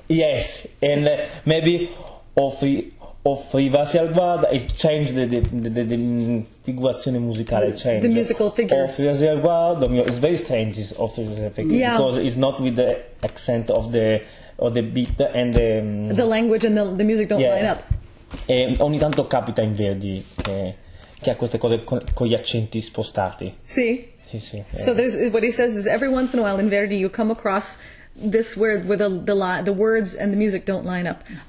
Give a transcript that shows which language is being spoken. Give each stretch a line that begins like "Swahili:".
English: Yes, and maybe
Italian: offrivasi al guada
English: is changed the figurazione musicale. Change. The musical figure. Offrivasi al guada is very strange. Is
Italian: offrivasi al guada,
English: yeah. Because it's not with the accent of the beat and the the language and the music don't, yeah. Line up.
Italian: E ogni tanto capita in Verdi che ha queste cose con gli accenti spostati. Sì. Sì, sì.
English: So there's what he says is every once in a while in Verdi you come across. This where the words and the music don't line up.